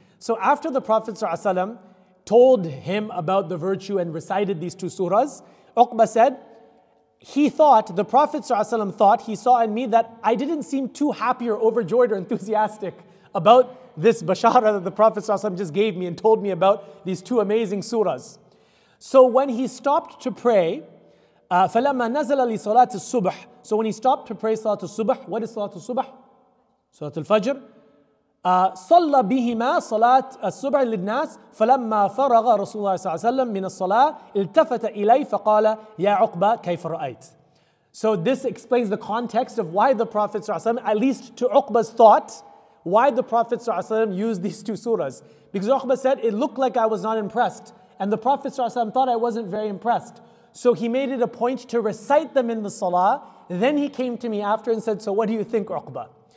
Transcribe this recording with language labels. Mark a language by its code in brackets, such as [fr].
[en] So after the Prophet ﷺ told him about the virtue and recited these two surahs, Uqba said, the Prophet ﷺ thought, he saw in me that I didn't seem too happy or overjoyed or enthusiastic about this bashara that the Prophet ﷺ just gave me and told me about these two amazing surahs. So when he stopped to pray, [ar] فَلَمَّا نَزَلَ لِصَلَاتِ الصُّبْحِ. [en] So when he stopped to pray Salatul Subh, what is Salatul Subh? Salat al-Fajr. [ar] صلى بهما صلاة الصبح للناس فلما فرغ رسول الله صلى الله عليه وسلم من الصلاة التفت إليه فقال يا عقبة كيف رأيت. [en] So this explains the context of why the Prophet ﷺ, at least to Uqba's thought, why the Prophet ﷺ used these two surahs. Because Uqba said, it looked like I was not impressed. And the Prophet ﷺ thought I wasn't very impressed. So he made it a point to recite them in the salah. Then he came to me after and said, so what do you think, Uqba?